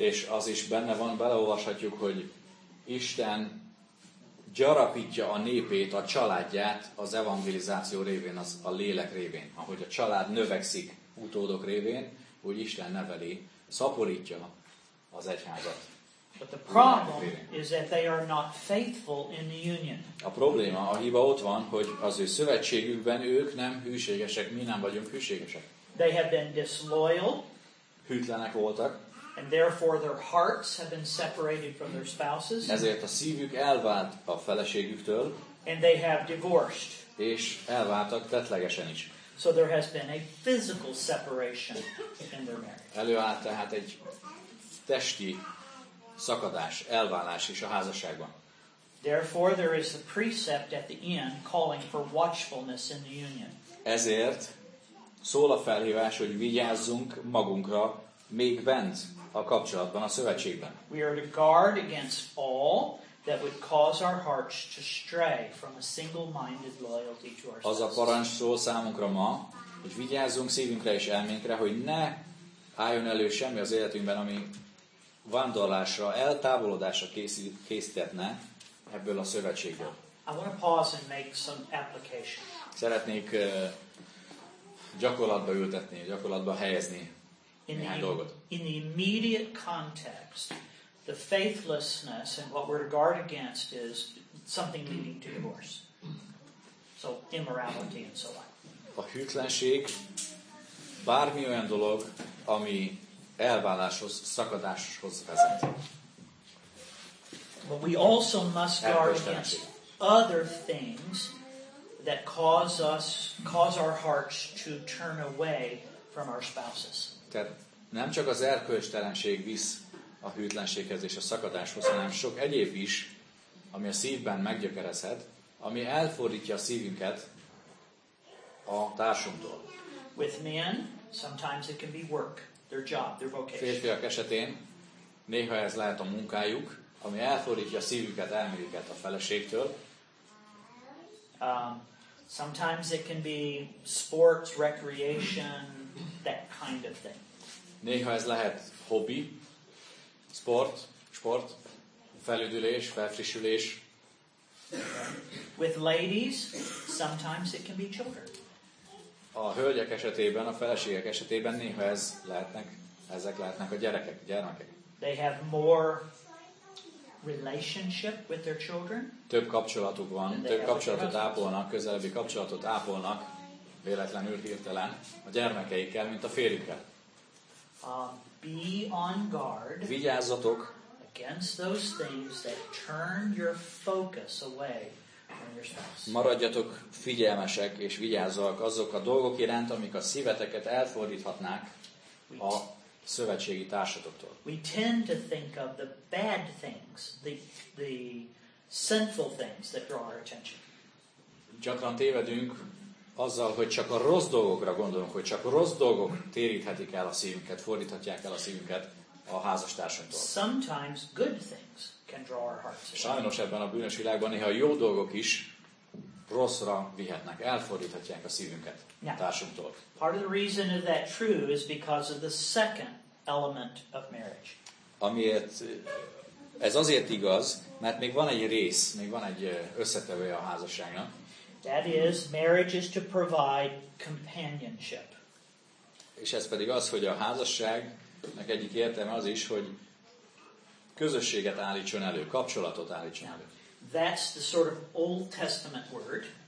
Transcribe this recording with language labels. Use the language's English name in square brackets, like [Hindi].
[Hungarian] És az is benne van, beleolvashatjuk, hogy Isten gyarapítja a népét, a családját az evangelizáció révén, az a lélek révén. Ahogy a család növekszik utódok révén, úgy Isten neveli, szaporítja az egyházat. [English] But the problem is that they are not faithful in the union. [Hungarian] A probléma, a hiba ott van, hogy az ő szövetségükben ők nem hűségesek, mi nem vagyunk hűségesek. [English] They have been disloyal. [Hungarian] Hűtlenek voltak. [English] And therefore their hearts have been separated from their spouses. [Hungarian] Ezért a szívük elvált a feleségüktől. [English] And they have divorced. [Hungarian] És elváltak tetlegesen is. [English] So there has been a physical separation in their marriage. [Hungarian] Előállt tehát egy testi szakadás, elválás is a házasságban. [English] Therefore there is a precept at the end calling for watchfulness in the union. [Hungarian] Ezért szól a felhívás, hogy vigyázzunk magunkra még bent a kapcsolatban, a szövetségben. [English] We are to guard against all that would cause our hearts to stray from a single-minded loyalty to our. [Hungarian] Az a parancs szól számunkra ma, hogy vigyázzunk szívünkre és elménkre, hogy ne álljon elő semmi az életünkben, ami vándorlásra, eltávolodásra készítetne ebből a szövetségből. [English] I want to pause and make some application. [Hungarian] Szeretnék gyakorlatba ültetni, gyakorlatba helyezni néhány dolgot. [English] In the immediate context, the faithlessness and what we're to guard against is something leading to divorce. So immorality and so on. [Hungarian] A hűtlenség bármi olyan dolog, ami elváláshoz, szakadáshoz vezet. [English] But we also must guard against other things that cause our hearts to turn away from our spouses. [Hungarian] Tehát nem csak az erkölcstelenség visz a hűtlenséghez és a szakadáshoz, hanem sok egyéb is, ami a szívben meggyökerezhet, ami elfordítja a szívünket a társunktól. [English] With men, sometimes it can be work. Their job, their vocation. [Hungarian] Férfiak esetén néha ez lehet a munkájuk, ami elfordítja a szívüket, elméjüket a feleségtől. [English] Sometimes it can be sports, recreation, that kind of thing. [Hungarian] Néha ez lehet hobbi, sport, felüdülés, felfrissülés. [English] With ladies, sometimes it can be children. [Hungarian] A hölgyek esetében, a feleségek esetében néha ez lehetnek, ezek lehetnek a gyerekek, a gyermekek. [English] They have more relationship with their children. [Hungarian] Több kapcsolatuk van, több kapcsolatot ápolnak, közelebbi kapcsolatot ápolnak, véletlenül, hirtelen, a gyermekeikkel, mint a férjükkel. [English] Be on guard. [Hungarian] Vigyázzatok [English] against those things that turn your focus away. [Hungarian] Maradjatok figyelmesek és vigyázzak azok a dolgok iránt, amik a szíveteket elfordíthatnák a szövetségi társatoktól. [English] We tend to think of the bad things, the sinful things that draw our attention. [Hungarian] Gyakran tévedünk azzal, hogy csak a rossz dolgokra gondolunk, hogy csak a rossz dolgok téríthetik el a szívünket, fordíthatják el a szívünket a házastársunktól. [English] Sometimes good things. [Hungarian] Sajnos ebben a bűnös világban néha jó dolgok is rosszra vihetnek, elfordíthatják a szívünket a társunktól. [English] Part of the reason of that true is because of the second element of marriage. [Hungarian] Amiért ez azért igaz, mert még van egy rész, még van egy összetevője a házasságnak. [English] That is, marriage is to provide companionship. [Hungarian] És ez pedig az, hogy a házasságnak egyik értelme az is, hogy közösséget állítson elő, kapcsolatot állítson elő. [English] That's the sort of Old Testament word.